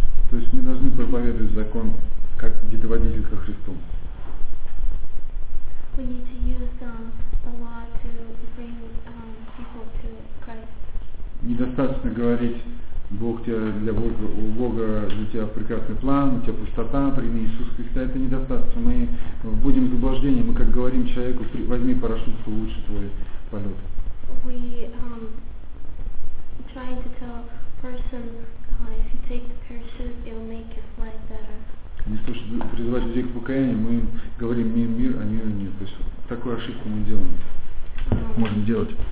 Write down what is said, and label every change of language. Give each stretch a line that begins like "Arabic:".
Russian: То есть мы должны проповедовать закон, как детоводитель ко Христу.
English: We need to use the law to bring people to Christ.
Russian: Недостаточно говорить, Бог тебя для Бога, у Бога для тебя прекрасный план, у тебя пустота, прими Иисуса Христа, это недостаточно. Мы будем в заблуждении, мы как говорим человеку, возьми парашют, улучши твой полет.
English: We trying to tell a person, if you take the parachute, it'll make your flight better.
Russian: Вместо того, чтобы призывать людей к покаянию, мы им говорим мир, мир, а мира нет. То есть такую ошибку мы делаем. Можем делать.